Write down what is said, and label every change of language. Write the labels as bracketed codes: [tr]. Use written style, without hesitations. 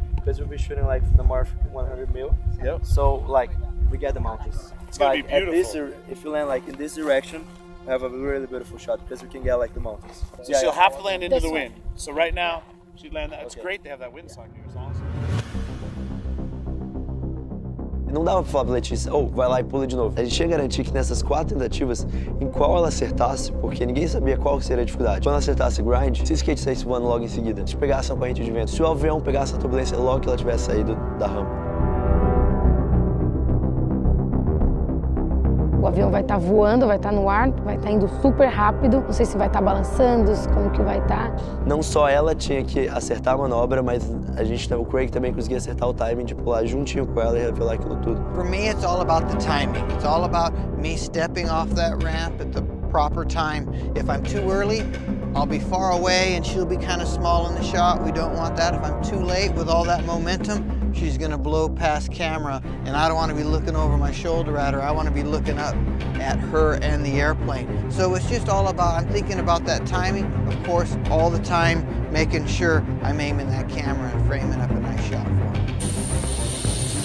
[en] Because we'll be shooting like the more 100 mil. Yep. So, like, we get the mountains. It's gonna be beautiful. If you land like in this direction, we have a really beautiful shot because we can get like the mountains. So, yeah, she'll have to land into the wind. So, right now, she'd land that. It's okay. Great to have that wind sock here. It's awesome. [pt] Não dava pra falar pra Letícia, ou vai lá e pula de novo. A gente tinha que garantir que nessas 4 tentativas, em qual ela acertasse, porque ninguém sabia qual seria a dificuldade. Quando ela acertasse grind, se o skate saísse voando logo em seguida, se pegasse uma corrente de vento, se o avião pegasse a turbulência logo que ela tivesse saído da rampa. o avião vai estar voando, vai estar no ar, vai estar indo super rápido. Não sei se vai estar balançando, como que vai estar. Não só ela tinha que acertar a manobra, mas a gente, o Craig também conseguia acertar o timing de pular juntinho com ela e revelar aquilo tudo. Para mim, é tudo sobre o timing. É tudo sobre eu [en] stepping off that ramp at the proper time. If I'm too early, I'll be far away and she'll be kind of small in the shot. We don't want that. If I'm too late with all that momentum, she's gonna blow past camera and I don't want to be looking over my shoulder at her. I want to be looking up at her and the airplane. So it's just all about, I'm thinking about that timing, of course, all the time, making sure I'm aiming that camera and framing up a nice shot for her.